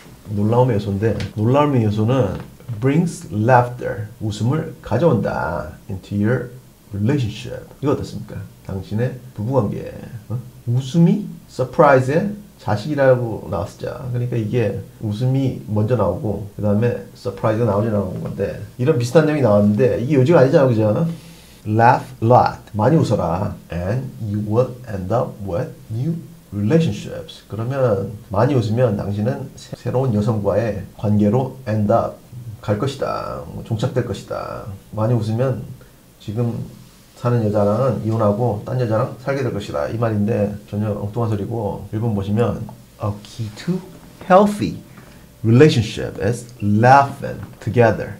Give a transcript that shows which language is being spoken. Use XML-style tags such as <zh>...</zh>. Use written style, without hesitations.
<ko>놀라움의 요소인데 놀라움의 요소는 brings laughter, 웃음을 가져온다 into your relationship. 이거 어떻습니까? 당신의 부부관계에. 웃음이 surprise에 자식이라고 나왔었죠. 그러니까 이게 웃음이 먼저 나오고 그 다음에 서프라이즈가 나오지 않은 건데 이런 비슷한 내용이 나왔는데 이게 요지가 아니잖아, 그죠? Laugh lot, 많이 웃어라.</ko> <en>And you will end up with new relationships.</en> <ko>그러면 많이 웃으면 당신은 새로운 여성과의 관계로 end up 갈 것이다, 종착될 것이다. 많이 웃으면 지금 사는 여자랑은 이혼하고 딴 여자랑 살게 될 것이다, 이 말인데 전혀 엉뚱한 소리고 1번 보시면 A key to healthy relationship is laughing together.</ko>